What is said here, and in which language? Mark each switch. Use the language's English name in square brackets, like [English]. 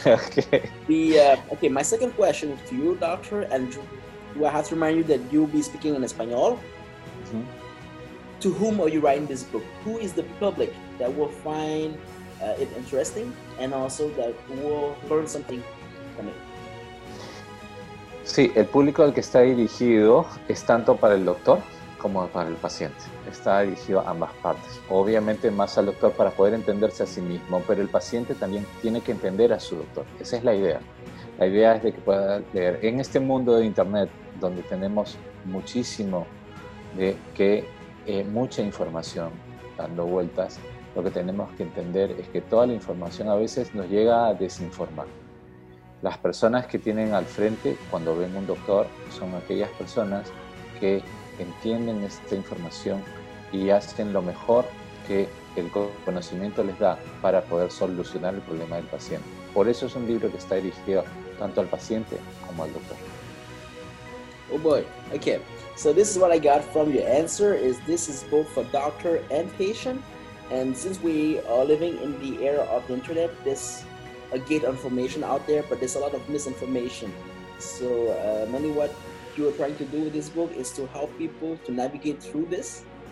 [English] Okay, my second question to you, Dr. Andrew, do I have to remind you that you'll be speaking in Espanol? Mm-hmm. To whom are you writing this book? Who is the public that will find it interesting and also that will learn something from it? [Spanish] Sí, el público al que está dirigido es tanto para el doctor como para el paciente. Está dirigido a ambas partes. Obviamente más al doctor para poder entenderse a sí mismo, pero el paciente también tiene que entender a su doctor. Esa es la idea. La idea es de que pueda leer. En este mundo de internet, donde tenemos muchísimo de que mucha información dando vueltas, lo que tenemos que entender es que toda la información a veces nos llega a desinformar. Las personas que tienen al frente cuando ven un doctor son aquellas personas que entienden esta información y hacen lo mejor que el conocimiento les da para poder solucionar el problema del paciente. Por eso es un libro que está dirigido tanto al paciente como al doctor. [English] Oh boy, okay. So this is what I got from your answer, is this is both for doctor and patient. And since we are living in the era of the internet, there's a gate of information out there, but there's a lot of misinformation. So mainly what you are trying to do with this book is to help people to navigate through this.